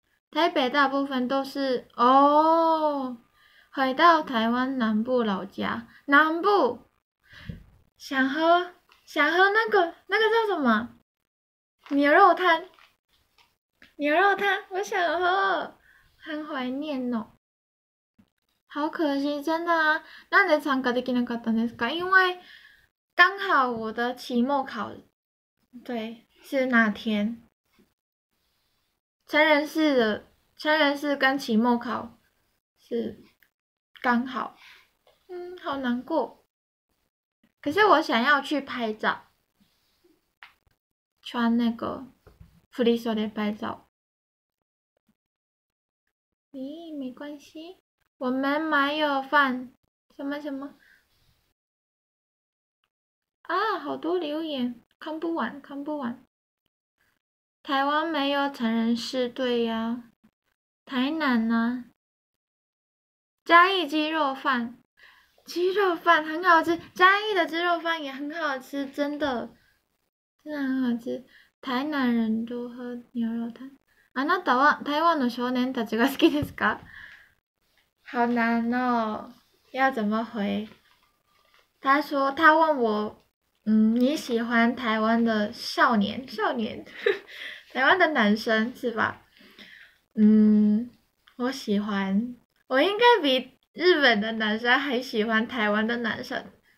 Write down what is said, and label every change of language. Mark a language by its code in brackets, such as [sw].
[zh] 台北大部分都是哦，回到台湾南部老家，南部想喝那个叫什么？牛肉汤，牛肉汤，我想喝，很怀念哦。好可惜，真的啊， [ja] なんで参加できなかったんですか？ [zh] 因为刚好我的期末考，对，是那天。成人式跟期末考是刚好，好难过。可是我想要去拍照。穿那个福利社的拍照，咦，没关系，我们买有饭，什么什么啊，好多留言，看不完，看不完。台湾没有成人式，对呀，台南呢？嘉义鸡肉饭，鸡肉饭很好吃，嘉义的鸡肉饭也很好吃，真的，真的很好吃。台南人都喝牛肉汤。 [ja] あなたは台湾の少年たちが好きですか？ [zh] 好难哦，要怎么回？他说他问我，你喜欢台湾的少年？少年，台湾的男生是吧？我喜欢，我应该比日本的男生还喜欢台湾的男生。